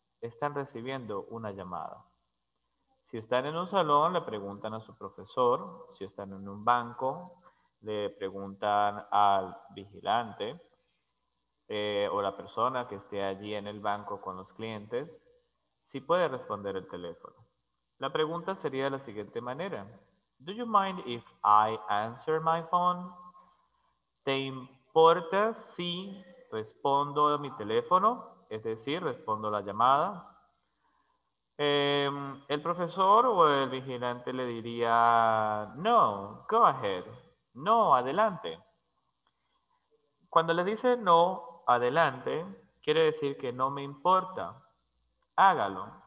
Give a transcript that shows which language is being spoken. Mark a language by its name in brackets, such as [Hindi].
[Spanish] Están recibiendo una llamada. Si están en un salón, le preguntan a su profesor. Si están en un banco, le preguntan al vigilante o la persona que esté allí en el banco con los clientes si puede responder el teléfono. La pregunta sería de la siguiente manera. [English] Do you mind if I answer my phone? [Spanish] ¿Te importa si respondo a mi teléfono? Es decir, respondo la llamada. El profesor o el vigilante le diría, no, [English] go ahead. [Spanish] No, adelante. Cuando le dice no, adelante, quiere decir que no me importa. Hágalo.